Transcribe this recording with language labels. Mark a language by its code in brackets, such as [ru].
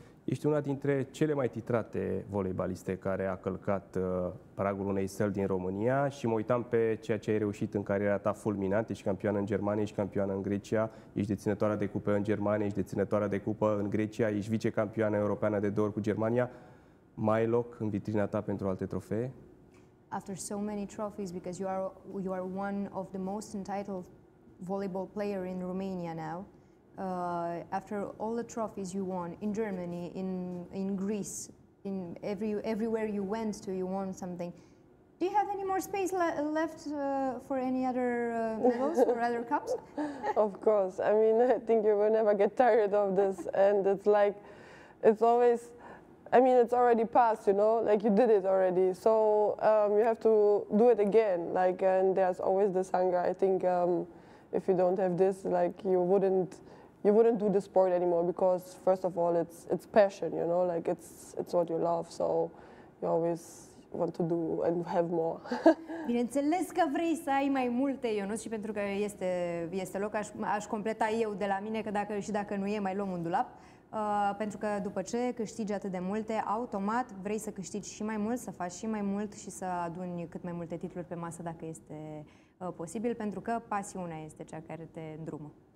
[ro] Ești una dintre cele mai titrate voleibaliste care a călcat pragul unei săli din România și mă uitam pe ceea ce ai reușit în cariera ta fulminant. Ești campioană în Germania, ești campioană în Grecia, ești deținătoarea de cupă în Germania, ești deținătoarea de cupă în Grecia, ești vicecampioană europeană de două ori cu Germania. Mai loc în vitrina ta pentru alte trofee? [en] After so many trophies, because you are one of the most entitled volleyball player in Romania now, after all the trophies you won in Germany, in Greece, in everywhere you went to, you won something. Do you have any more space left for any other medals or other cups? Of course. I mean, I think you will never get tired of this. And it's like, it's always, I mean, it's already passed, you know, like you did it already. So you have to do it again. Like, and there's always this hunger. I think if you don't have this, like you wouldn't do the sport anymore, because first of all it's passion, you know, like it's what you love, so you always want to do and have more. [ro] Bineînțeles că vrei să ai mai multe, Ionuț, și pentru că este loc, aș completa eu de la mine, că dacă și dacă nu e, mai luăm un dulap, pentru că după ce câștigi atât de multe, automat vrei să câștigi și mai mult, să faci și mai mult și să aduni cât mai multe titluri pe masă dacă este posibil, pentru că pasiunea este cea care te îndrumă.